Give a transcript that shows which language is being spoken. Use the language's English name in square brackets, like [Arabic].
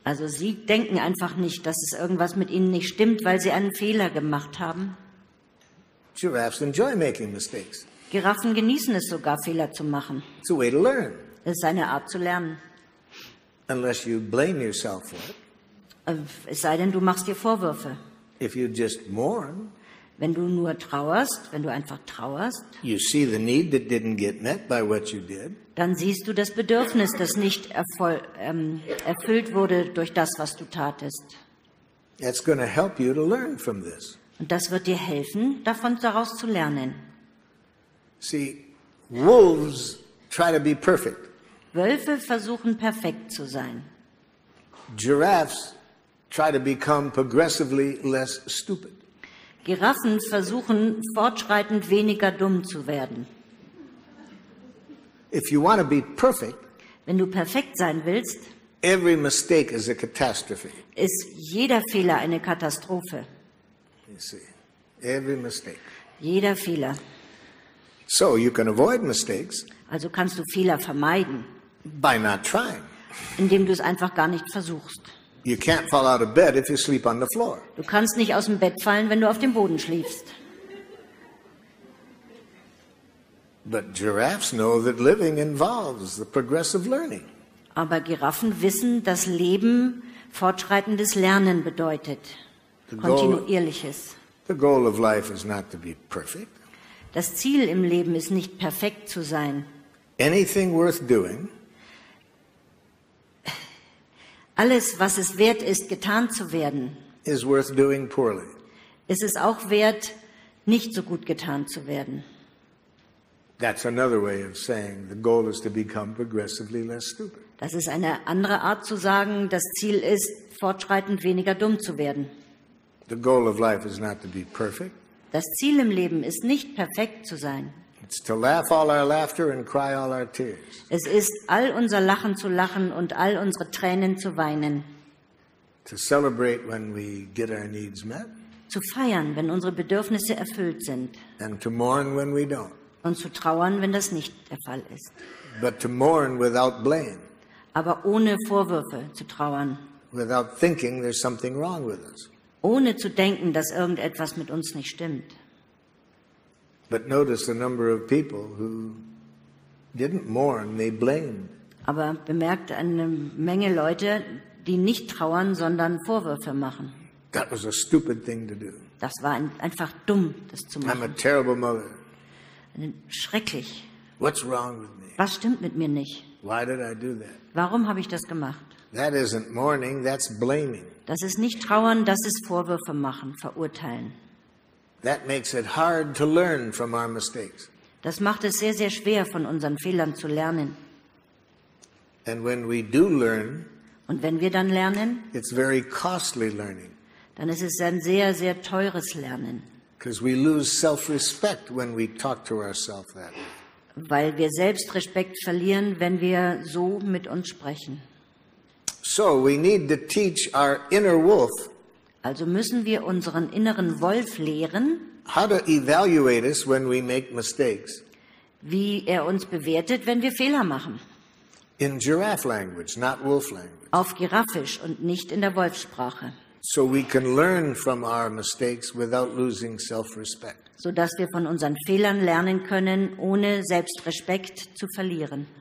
[German] Also sie denken einfach nicht, dass es irgendwas mit ihnen nicht stimmt, weil sie einen Fehler gemacht haben. [English] Giraffes enjoy making mistakes. [German] Giraffen genießen es sogar, Fehler zu machen. [English] It's a way to learn. [German] Es ist eine Art zu lernen. [English] Unless you blame yourself for it. [German] Es sei denn, du machst dir Vorwürfe. [English] If you just mourn, [German] wenn du nur trauerst, wenn du einfach trauerst, [English] you see the need that didn't get met by what you did. [German] Dann siehst du das Bedürfnis, das nicht erfüllt wurde durch das, was du tatest. [English] That's going to help you to learn from this. [German] Und das wird dir helfen, daraus zu lernen. [English] See, wolves try to be perfect. [German] Wölfe versuchen perfekt zu sein. [English] Giraffes try to become progressively less stupid. [German] Giraffen versuchen fortschreitend weniger dumm zu werden. [English] If you want to be perfect, [German] wenn du perfekt sein willst, [English] every mistake is a catastrophe. [German] Ist jeder Fehler eine Katastrophe. [English] You see, every mistake. [German] Jeder Fehler. [English] So you can avoid mistakes. [German] Also kannst du Fehler vermeiden. [English] By not trying. [German] Indem du es einfach gar nicht versuchst. [English] You can't fall out of bed if you sleep on the floor. [German] Du kannst nicht aus dem Bett fallen, wenn du auf dem Boden schläfst. [English] But giraffes know that living involves the progressive learning. [German] Aber Giraffen wissen, dass Leben fortschreitendes Lernen bedeutet. Kontinuierliches. [English] The goal of life is not to be perfect. [German] Das Ziel im Leben ist nicht, perfekt zu sein. [English] Anything worth doing, [German] alles, was es wert ist, getan zu werden, [English] is worth doing poorly. [German] Es ist auch wert, nicht so gut getan zu werden. [English] That's another way of saying the goal is to become progressively less stupid. [German] Das ist eine andere Art zu sagen, das Ziel ist, fortschreitend weniger dumm zu werden. [English] The goal of life is not to be perfect. [German] Das Ziel im Leben ist nicht, perfekt zu sein. [English] It's to laugh all our laughter and cry all our tears. [German] Es ist, all unser Lachen zu lachen und all unsere Tränen zu weinen. [English] To celebrate when we get our needs met. [German] Zu feiern, wenn unsere Bedürfnisse erfüllt sind. [English] And to mourn when we don't. [German] Und zu trauern, wenn das nicht der Fall ist. [English] But to mourn without blame. [German] Aber ohne Vorwürfe zu trauern. [English] Without thinking there's something wrong with us. [German] ohne zu denken, dass irgendetwas mit uns nicht stimmt. [English] But notice the number of people who didn't mourn, they blamed. [German] Aber bemerkt eine Menge Leute, die nicht trauern, sondern Vorwürfe machen. [English] That was a stupid thing to do. [German] Das war einfach dumm, das zu machen. [English] I'm a terrible mother. [German] Schrecklich. [English] What's wrong with me? [German] Was stimmt mit mir nicht? [English] Why did I do that? [German] Warum habe ich das gemacht? [English] That isn't mourning, that's blaming. [German] Das ist nicht trauern, das ist Vorwürfe machen, verurteilen. [English] That makes it hard to learn from our mistakes. [German] Das macht es sehr, sehr schwer, von unseren Fehlern zu lernen. [English] And when we do learn, [German] und wenn wir dann lernen, [English] it's very costly learning. [German] Dann ist es ein sehr, sehr teures Lernen. [English] Because we lose self-respect when we talk to ourselves that way. [German] Weil wir Selbstrespekt verlieren, wenn wir so mit uns sprechen. [English] So we need to teach our inner wolf. [German] Also müssen wir unseren inneren Wolf lehren. [English] How to evaluate us when we make mistakes. [German] Wie er uns bewertet, wenn wir Fehler machen. [English] In giraffe language, not wolf language. [German] Auf Giraffisch und nicht in der Wolfssprache. [English] So we can learn from our mistakes without losing self-respect. [German] So dass wir von unseren Fehlern lernen können, ohne Selbstrespekt zu verlieren.